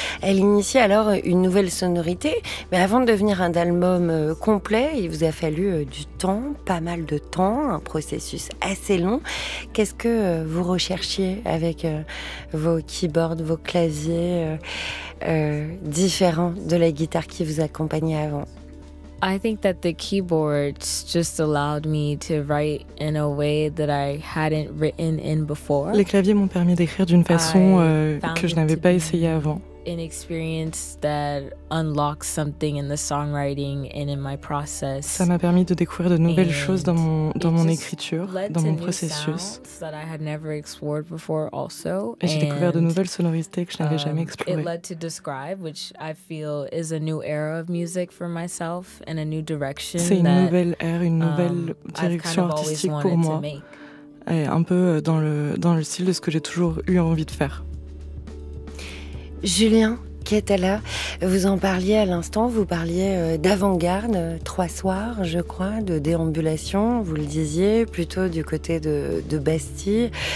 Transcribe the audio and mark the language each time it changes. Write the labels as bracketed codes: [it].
[fr] Elle initie alors une nouvelle sonorité, mais avant de devenir un album complet, il vous a fallu du temps, pas mal de temps, un processus assez long. Qu'est-ce que vous recherchiez avec vos keyboards, vos claviers différents de la guitare qui vous accompagnait avant? [en] I think that the keyboards just allowed me to write in a way that I hadn't written in before. [fr] Les claviers m'ont permis d'écrire d'une façon que je n'avais pas essayé avant. [en] An experience that unlocks something in the songwriting and in my process. [fr] Ça m'a permis de découvrir de nouvelles choses dans mon écriture, dans mon processus. [en] That I had never explored before also. [fr] Et j'ai découvert de nouvelles sonorités que je n'avais jamais explorées. [en] It led to Describe, which I feel is a new era of music for myself and a new direction. [fr] C'est une nouvelle ère, une nouvelle direction artistique pour moi. Et un peu dans le style de ce que j'ai toujours eu envie de faire. Julien Catala, vous en parliez à l'instant, vous parliez d'avant-garde, 3 soirs, je crois, de déambulation, vous le disiez, plutôt du côté de Bastille.